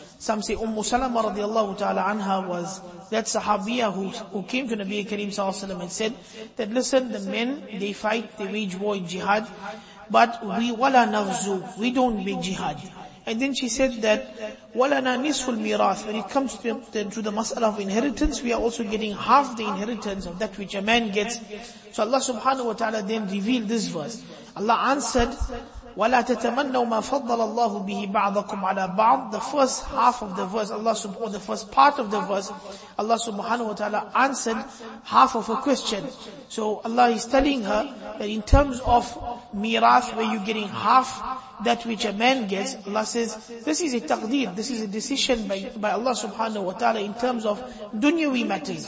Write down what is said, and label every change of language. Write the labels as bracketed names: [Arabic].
[English] Some say Ummu Salama radiallahu ta'ala anha was that sahabiyah who came to Nabi Kareem sallallahu alayhi wa sallam and said that, listen, the men, they fight, they wage war in jihad, but we [Arabic] wala nafzu, [English] we don't make jihad. And then she said that, [Arabic] وَلَنَا نِصْفُ الْمِيرَاثِ, [English] when it comes to the masala of inheritance, we are also getting half the inheritance of that which a man gets. So Allah subhanahu wa ta'ala then revealed this verse. Allah answered, [Arabic] وَلَا تَتَمَنَّوا مَا فَضَّلَ اللَّهُ بِهِ بَعْضَكُمْ عَلَى بَعْضٍ. [English] The first half of the verse, the first part of the verse, Allah subhanahu wa ta'ala answered half of a question. So Allah is telling her that in terms of mirath, where you're getting half that which a man gets, Allah says, this is a taqdeer, this is a decision by Allah subhanahu wa ta'ala in terms of dunyawi matters.